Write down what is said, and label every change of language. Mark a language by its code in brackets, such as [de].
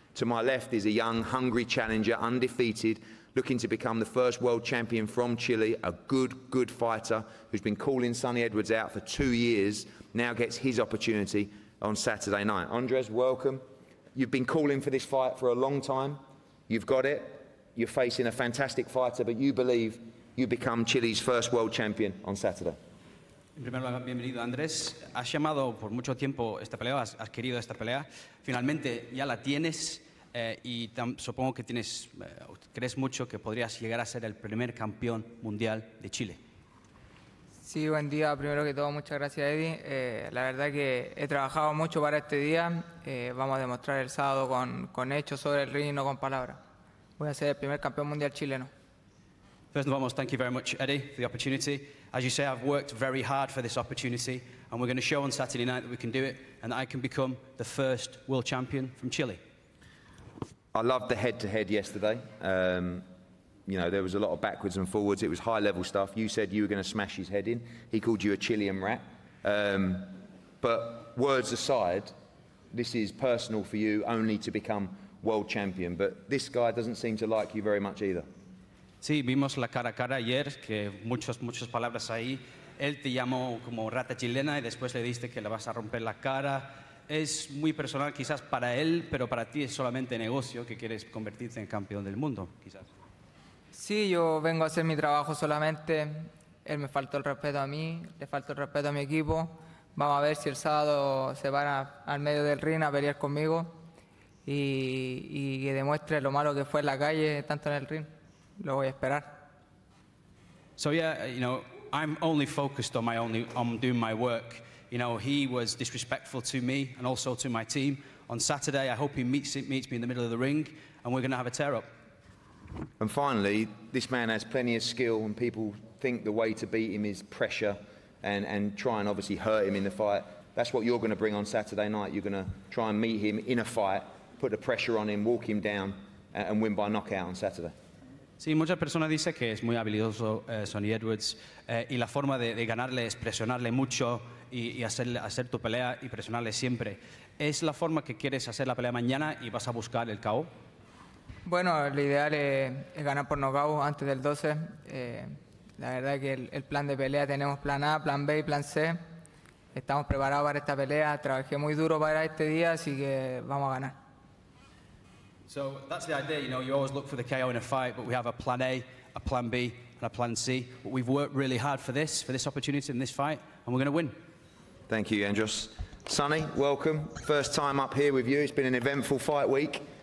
[en] To my left is a young, hungry challenger, undefeated, looking to become the first world champion from Chile, a good, good fighter who's been calling Sonny Edwards out for 2 years, now gets his opportunity on Saturday night. Andres, welcome. You've been calling for this fight for a long time. You've got it. You're facing a fantastic fighter, but you believe you become Chile's first world champion on Saturday. [es] En primer lugar, bienvenido, Andrés. Has llamado por mucho tiempo esta pelea, has querido esta pelea. Finalmente ya la tienes supongo que tienes, crees mucho que podrías llegar a ser el primer campeón mundial de Chile. Sí, buen día. Primero que todo, muchas gracias, Eddie. La verdad que he trabajado mucho para este día. Vamos a demostrar el sábado con hechos sobre el ring y no con palabras. Voy a ser el primer campeón mundial chileno. [en] First and foremost, thank you very much, Eddie, for the opportunity. As you say, I've worked very hard for this opportunity, and we're going to show on Saturday night that we can do it and that I can become the first world champion from Chile. I loved the head-to-head yesterday. You know, there was a lot of backwards and forwards. It was high-level stuff. You said you were going to smash his head in. He called you a Chilean rat. But words aside, this is personal for you only to become world champion. But this guy doesn't seem to like you very much either. [es] Sí, vimos la cara a cara ayer, que muchas palabras ahí. Él te llamó como rata chilena y después le diste que le vas a romper la cara. Es muy personal quizás para él, pero para ti es solamente negocio que quieres convertirte en campeón del mundo, quizás. Sí, yo vengo a hacer mi trabajo solamente. Él me faltó el respeto a mí, le faltó el respeto a mi equipo. Vamos a ver si el sábado se van al medio del ring a pelear conmigo y que demuestre lo malo que fue en la calle, tanto en el ring. Lo voy a esperar. [en] So yeah, you know, I'm only focused on doing my work. You know, he was disrespectful to me and also to my team. On Saturday, I hope he meets me in the middle of the ring and we're going to have a tear up. And finally, this man has plenty of skill and people think the way to beat him is pressure and try and obviously hurt him in the fight. That's what you're going to bring on Saturday night. You're going to try and meet him in a fight, put the pressure on him, walk him down and win by knockout on Saturday. [es] Sí, muchas personas dicen que es muy habilidoso Sonny Edwards y la forma de ganarle es presionarle mucho y hacer tu pelea y presionarle siempre. ¿Es la forma que quieres hacer la pelea mañana y vas a buscar el KO? Bueno, lo ideal es ganar por knockout antes del 12. La verdad es que el plan de pelea tenemos plan A, plan B y plan C. Estamos preparados para esta pelea. Trabajé muy duro para este día, así que vamos a ganar. [en] So that's the idea, you know, you always look for the KO in a fight, but we have a plan A, a plan B, and a plan C. But we've worked really hard for this opportunity in this fight, and we're going to win. Thank you, Andros. Sonny, welcome. First time up here with you. It's been an eventful fight week.